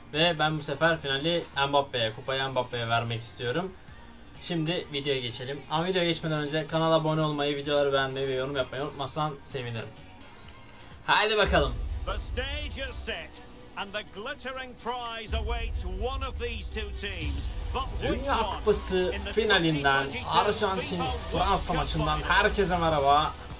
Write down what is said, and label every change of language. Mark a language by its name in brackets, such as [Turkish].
[Turkish] Ve ben bu sefer finali kupayı Mbappe'ye vermek istiyorum. Şimdi videoya geçelim. Ama videoya geçmeden önce kanala abone olmayı, videoları beğenmeyi ve yorum yapmayı unutmazsan sevinirim. Haydi bakalım. [English] The stage is set and the glittering prize awaits one of these two teams. [Turkish] Dünya Kupası finalinden, Arjantin-Fransa maçından herkese merhaba.